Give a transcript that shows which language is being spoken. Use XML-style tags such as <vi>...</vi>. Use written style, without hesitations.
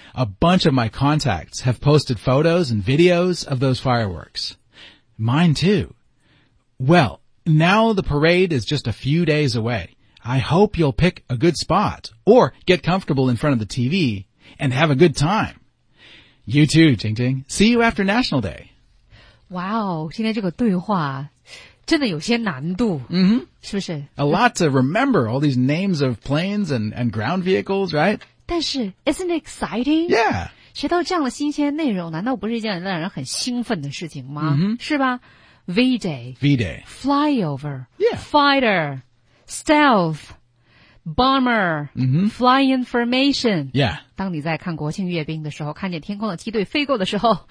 <en>A bunch of my contacts have posted photos and videos of those fireworks. Mine too. Well, now the parade is just a few days away. I hope you'll pick a good spot or get comfortable in front of the TV and have a good time. You too, Jing Jing. See you after National Day.</en> <zh>Wow, 今天这个对话真的有些难度。是不是</zh> <en>?A lot to remember all these names of planes and ground vehicles, right? 但是 isn't it exciting? Yeah.</en> <zh>学到这样的新鲜内容难道不是一件让人很兴奋的事情吗、 mm-hmm. 是吧 ?V-Day.</zh> <en>V-Day. Flyover. Yeah. Fighter. Stealth. Bomber,、 mm-hmm. fly in formation. Yeah.</en> <zh>当你在看国庆阅兵的时候看见天空的梯队飞过的时候、</zh>